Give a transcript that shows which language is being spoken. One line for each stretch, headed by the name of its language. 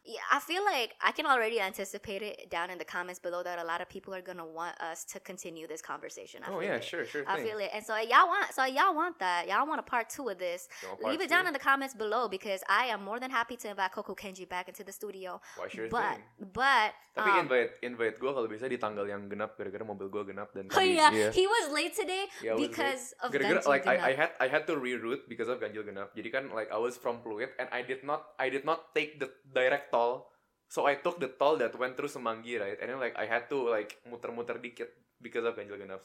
English: I feel like I can already anticipate it down in the comments below that a lot of people are gonna want us to continue this conversation. Sure thing. I feel it. And so y'all want that. Y'all want a part two of this. Leave it down in the comments below because I am more than happy to invite Coco Kenji back into the studio. But invite
Indonesian: gue kalau bisa di tanggal yang genap gara-gara mobil gue genap dan tadi,
English: oh yeah. Yeah. He was late today yeah, because late. Of
Indonesian: gara-gara, ganjil
English: like, genap. I had to reroute because of ganjil genap.
Indonesian: Jadi kan
English: like I was from Pluit and I did not take the direct toll. So I took the toll that went through Semanggi, right? And then like I had to like
Indonesian: muter-muter dikit
English: because of ganjil genap.